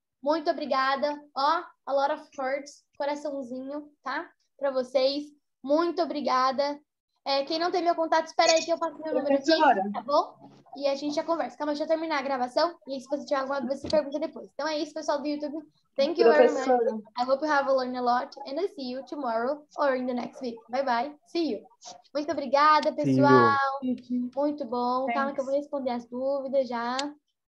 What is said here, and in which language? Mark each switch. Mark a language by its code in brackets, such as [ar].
[pt] Muito obrigada, ó, [en] a lot of hearts, [pt] coraçãozinho, tá? Para vocês. Muito obrigada. É, quem não tem meu contato, espera aí que eu faço meu número aqui, tá bom? E a gente já conversa. Calma, deixa eu terminar a gravação. E se você tiver alguma dúvida, você pergunta depois. Então é isso, pessoal do YouTube. [en] Thank you, professora. Very much. I hope you have learned a lot. And I see you tomorrow or in the next week. Bye-bye. See you. [pt] Muito obrigada, pessoal. Muito bom. [en] Thanks. [pt] Calma que eu vou responder as dúvidas já.